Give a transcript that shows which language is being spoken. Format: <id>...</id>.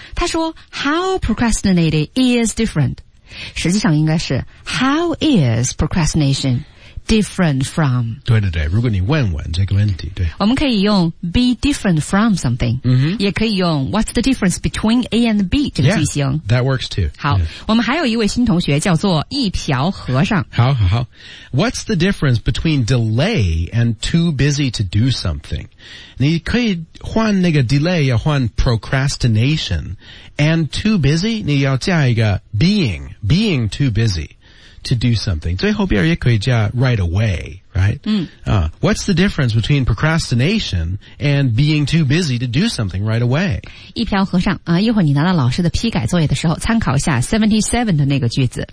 <zh>他说</zh> <en>how procrastinated is different?</en> <zh>实际上应该是</zh> <en>how is procrastination? Different from.</en> <zh>对对对如果你问问这个问题对。我们可以用</zh> <en>be different from something,、 mm-hmm.</en> <zh>也可以用</zh> <en>what's the difference between A and B</en> <zh>这个句型。</zh> <en>Yeah, that works too.</en> <zh>好、</zh> <en>yeah.</en> <zh>我们还有一位新同学叫做一瓢和尚。好好好。</zh> <en>What's the difference between delay and too busy to do something?</en> <zh>你可以换那个</zh> <en>delay,</en> <zh>要换</zh> <en>procrastination, and too busy,</en> <zh>你要加一个</zh> <en>being too busy. To do something.</en> <zh>最后边也可以加</zh> <en>right away, right?、</en> <zh>嗯</zh> <en>What's the difference between procrastination and being too busy to do something right away?</en> <zh>一瓢和尚、一会儿你拿到老师的批改作业的时候参考一下77的那个句子、</zh>